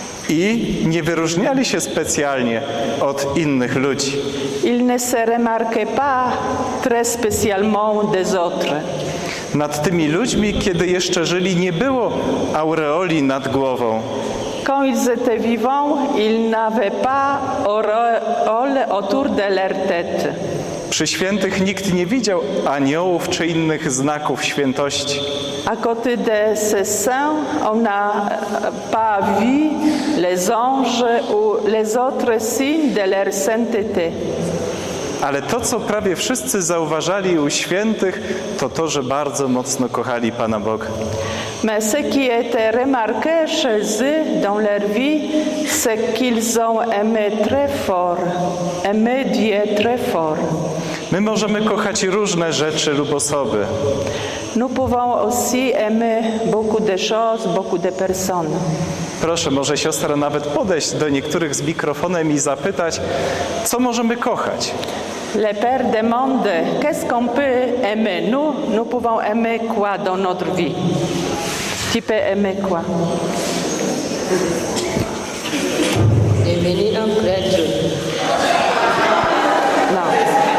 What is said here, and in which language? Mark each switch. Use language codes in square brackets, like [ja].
[pl] i nie wyróżniali się specjalnie od innych ludzi. [fr] Ils ne se remarquaient pas très spécialement des autres. [pl] Nad tymi ludźmi, kiedy jeszcze żyli, nie było aureoli nad głową. [fr] Quand ils étaient vivants, ils n'avaient pas auréole autour de leur tête. [pl] Przy świętych nikt nie widział aniołów czy innych znaków świętości. [fr] À côté de ces saints, on n'a pas vu les anges ou les autres signes de leur sainteté. [pl] Ale to, co prawie wszyscy zauważali u świętych, to to, że bardzo mocno kochali Pana Boga. [fr] Mais ce qui était remarqué chez eux dans leur vie, c'est qu'ils ont aimé très fort, aimé Dieu très fort. [pl] My możemy kochać różne rzeczy lub osoby. [fr] Nous pouvons aussi aimer beaucoup de choses, beaucoup de personnes. [pl] Proszę, może siostra nawet podejść do niektórych z mikrofonem i zapytać, co możemy kochać. [fr] Le Père demande, qu'est-ce qu'on peut aimer? Nous pouvons aimer quoi dans notre vie? Tu peux aimer quoi? Aimer un prêtre. Non.